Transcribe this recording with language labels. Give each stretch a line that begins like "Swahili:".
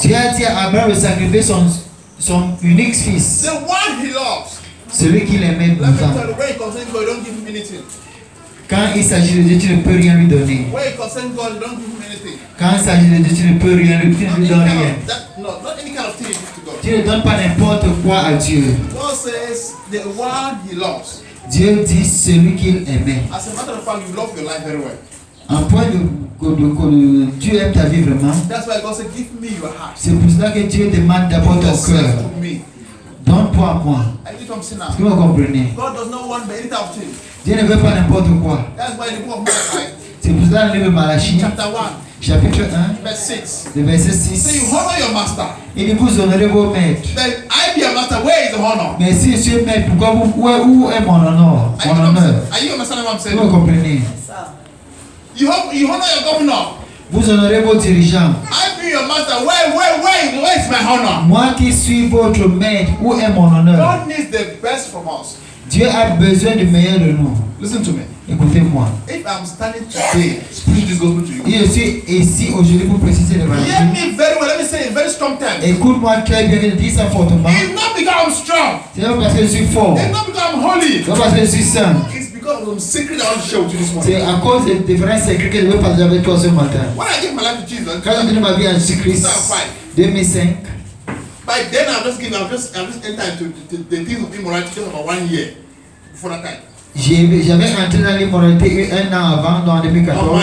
French: Dieu a dit à Abraham de sacrifier son unique fils.
English: The one he loves.
French: Celui qu'il aimait.
English: Let me tell you, where he concerns God, don't give him anything.
French: Quand il s'agit de Dieu, tu ne peux rien lui donner.
English: Where he concerns God, don't give him anything.
French: Quand il s'agit de Dieu, tu ne peux rien lui donner.
English: Not any kind of thing to God.
French: Tu ne donnes pas n'importe quoi à Dieu.
English: The one he loves.
French: Dieu dit celui qu'il aimait.
English: As a matter of fact, you love your life very well.
French: En point de Dieu aime ta vie vraiment.
English: That's why God said, give me your heart.
French: C'est pour cela que Dieu demande d'abord ton cœur. Donne-toi à moi. Est-ce que vous comprenez?
English: God does not want any type of thing.
French: Dieu ne veut pas n'importe quoi.
English: That's why the book of Malachi.
French: C'est pour cela le livre de Malachi. Chapitre 1, verset 6.
English: So you honor your master.
French: Il dit, vous honorez vos maîtres.
English: Then I be your master, where is the honor?
French: Mais si je suis maître, pourquoi vous, où est mon honneur? Mon honneur.
English: Are you understanding what I'm saying?
French: Vous me comprenez?
English: You honor your governor.
French: Vous honorez vos dirigeants.
English: I be your master, where is my honor?
French: Moi qui suis votre maître, où est mon honneur?
English: God needs the best from us.
French: Dieu a besoin du meilleur de nous.
English: Listen to me.
French: Écoutez-moi.
English: If I'm standing today, preach this gospel to you.
French: Je suis ici aujourd'hui pour préciser l'évangile.
English: Hear me very well. Let me say in very strong terms.
French: Écoute-moi très bien. Dis ça fortement.
English: It's not because I'm strong.
French: C'est pas parce que je suis fort.
English: It's not because I'm holy.
French: C'est pas parce que je suis saint.
English: It's because of some secret I want to share with you this morning.
French: C'est à cause des différents secrets que je veux partager avec toi ce matin.
English: When I give my life to Jesus.
French: Quand j'ai donné ma vie à Jésus-Christ.
English: 2005. By then I'm just entering into the things of immorality for about 1 year before that time.
French: J'avais entré dans l'immoralité un an avant, dans 2014.